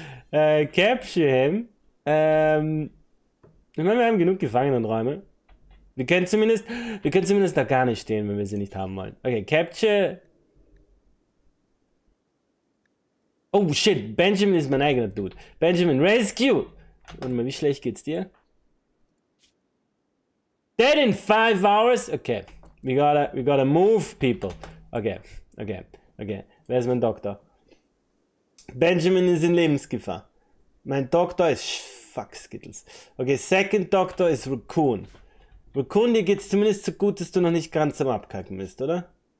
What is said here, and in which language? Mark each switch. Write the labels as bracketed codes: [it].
[en] capture him. [de] Ich meine, wir haben genug Gefangenenräume. Wir können zumindest da gar nicht stehen, wenn wir sie nicht haben wollen. Okay, capture. [en] Oh shit, [de] Benjamin ist mein eigener Dude. Benjamin, [en] rescue! [de] Warte mal, wie schlecht geht's dir? [en] Dead in 5 hours? Okay, we gotta move, people. [de] Okay. Wer ist mein Doktor? Benjamin ist in Lebensgefahr. Mein Doktor ist. Fuck, Skittles. Okay, second Doktor ist Raccoon. Raccoon, dir geht's zumindest so gut, dass du noch nicht ganz am Abkacken bist, oder?